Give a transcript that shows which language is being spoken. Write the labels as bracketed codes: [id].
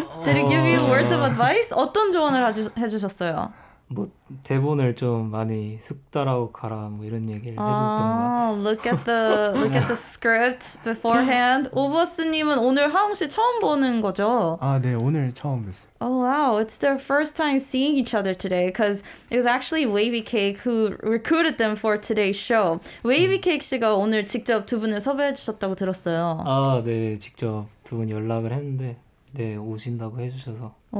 [en] Did he give you words of advice? [ko] 어떤 조언을 해주셨어요? 뭐 대본을 좀 많이 숙달하고 가라 뭐 이런 얘기를 해줬던 것 같아요. [en] Look at the script beforehand. [ko] 오버스님은 오늘 하웅 씨 처음 보는 거죠? 아 네, 오늘 처음 봤어요. [en] Oh wow, it's their first time seeing each other today because it was actually Wavy Cake who recruited them for today's show. [ko] Wavy Cake 씨가 오늘 직접 두 분을 섭외해 주셨다고 들었어요. 아 네, 직접 두 분 연락을 했는데 네, 오신다고 해주셔서.